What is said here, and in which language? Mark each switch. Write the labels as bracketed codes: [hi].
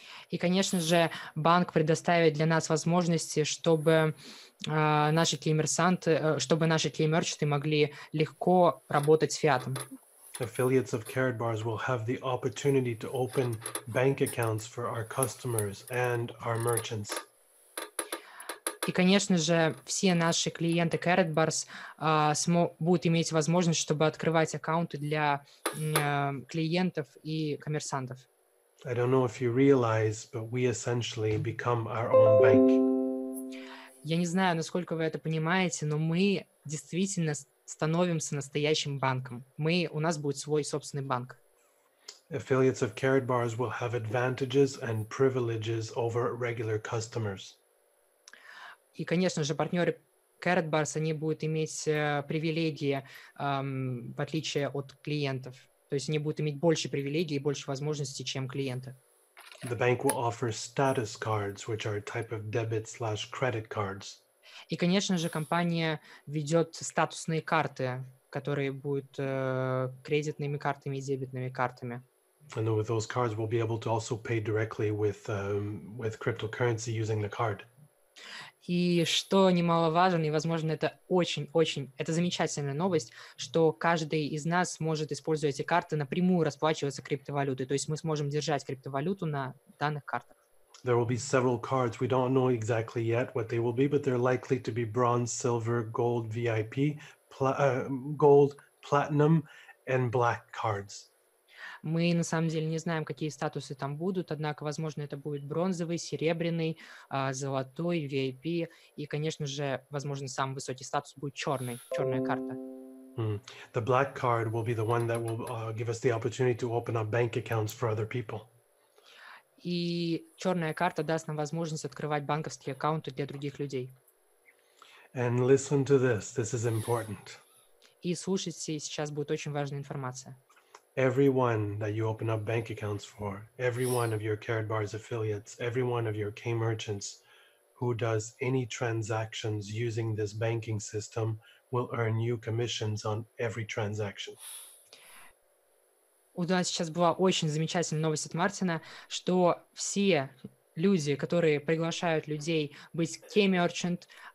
[ru] И, конечно же, банк предоставит для нас возможности, чтобы наши кей-мерчанты могли легко работать с фиатом. [en] Affiliates of Carrot Bars will have the opportunity to open bank accounts for our customers and our merchants. [ru] И, конечно же, все наши клиенты Carrot Bars будут иметь возможность, чтобы открывать аккаунты для клиентов и коммерсантов. [en] I don't know if you realize, but we essentially become our own bank. [ru] Я не знаю, насколько вы это понимаете, но мы действительно становимся настоящим банком. У нас будет свой собственный банк. [en] Affiliates of Carrot Bars will have advantages and privileges over regular customers. [ru] И, конечно же, партнеры Carrot Bars, они будут иметь привилегии, в отличие от клиентов. То есть они будут иметь больше привилегий и больше возможностей, чем клиенты. [en] The bank will offer status cards, which are a type of debit/credit cards. [ru] И, конечно же, компания ведет статусные карты, которые будут кредитными картами и дебетными картами. [en] And with those cards we'll be able to also pay directly with cryptocurrency using the card. [ru] И что немаловажно, и, возможно, это очень-очень, это замечательная новость, что каждый из нас может использовать эти карты напрямую расплачиваться криптовалютой. То есть мы сможем держать криптовалюту на данных картах. [en] There will be several cards. We don't know exactly yet what they will be, but they're likely to be bronze, silver, gold, VIP, gold, platinum, and black cards. [ru] Мы на самом деле не знаем, какие статусы там будут, однако, возможно, это будет бронзовый, серебряный, золотой, VIP, и, конечно же, возможно, самый высокий статус будет черный, черная карта. [en] The black card will be the one that will give us the opportunity to open up bank accounts for other people. [ru] И черная карта даст нам возможность открывать банковские аккаунты для других людей. [en] And listen to this. This is important. [ru] И слушайте, сейчас будет очень важная информация. [en] Everyone that you open up bank accounts for, every one of your Carrot Bars affiliates, every one of your K merchants who does any transactions using this banking system will earn you commissions on every transaction. [ru] У нас сейчас была очень замечательная новость от Мартина, что все люди, которые приглашают людей быть K merchant,